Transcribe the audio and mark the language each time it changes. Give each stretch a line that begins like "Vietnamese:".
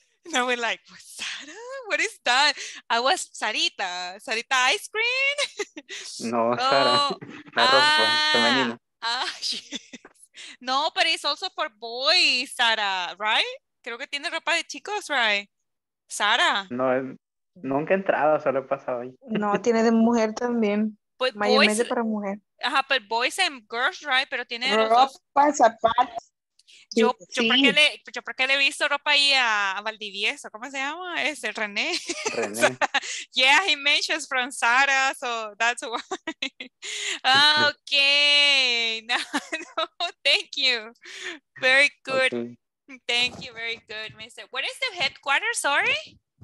English: No, we're like, Sara? What is that? I was Sarita. Sarita ice cream? No, oh, Sara. Yes. No, but it's also for boys, Sara, right?
Spanish: Creo que tiene ropa de chicos, right? Sara. No, nunca he entrado, solo he pasado ahí. No, tiene de mujer también.
English: But boys,
Spanish: para mujer.
English: Ajá, but boys and girls, right?
Spanish: Pero tiene ropa, los dos. Zapatos. Yo, sí. yo porque le he visto ropa ahí a Valdivieso, ¿cómo se llama? Es el René.
English: So, yeah, he mentions from Sara, so that's why. Okay, no, thank you. Very good. Okay. Thank you, very good, mister. What is the headquarters, sorry?